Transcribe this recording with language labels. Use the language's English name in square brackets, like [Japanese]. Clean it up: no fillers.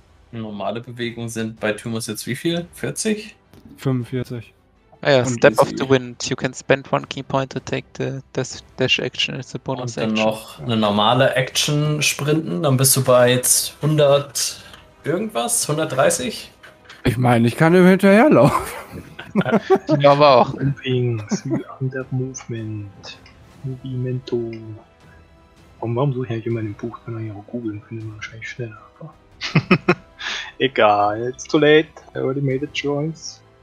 [German] Normale Bewegungen sind bei Thymus jetzt wie viel? 40? 45. Ah ja, und Step of the Wind. [English] You can spend one keypoint to take the dash action as a bonus action. [German] Und dann noch eine normale Action sprinten, dann bist du bei jetzt 100... Irgendwas? 130? Ich meine, ich kann ihm hinterherlaufen. Ich glaube auch. [English] Wings, under movement. Movimento. [German] Warum suche ich eigentlich immer in dem Buch? Ich kann eigentlich auch googeln, finde ich wahrscheinlich schneller. Aber... [English] Egal, it's too late. I already made a choice.